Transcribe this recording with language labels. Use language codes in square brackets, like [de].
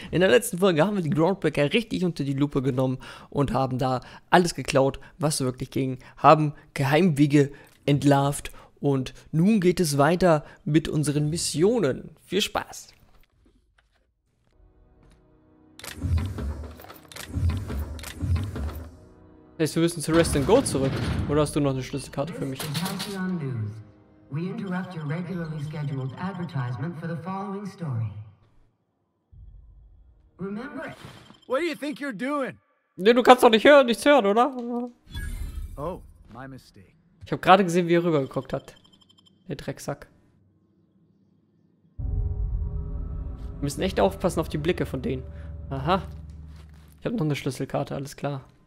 [de] In der letzten Folge haben wir die Groundbreaker richtig unter die Lupe genommen und haben da alles geklaut, was wirklich ging, haben Geheimwege entlarvt und nun geht es weiter mit unseren Missionen. Viel Spaß! Das heißt, wir müssen zu Rest and Go zurück. Oder hast du noch eine Schlüsselkarte für mich? [en] Halcyon News. We interrupt your regularly scheduled advertisement for the following story. Remember? What do you think you're doing? [de] Nee, du kannst doch nicht hören, nichts hören, oder? [en] Oh, my mistake. [de] Ich habe gerade gesehen, wie er rübergeguckt hat. Der Drecksack. Wir müssen echt aufpassen auf die Blicke von denen. Aha. Ich habe noch eine Schlüsselkarte, alles klar.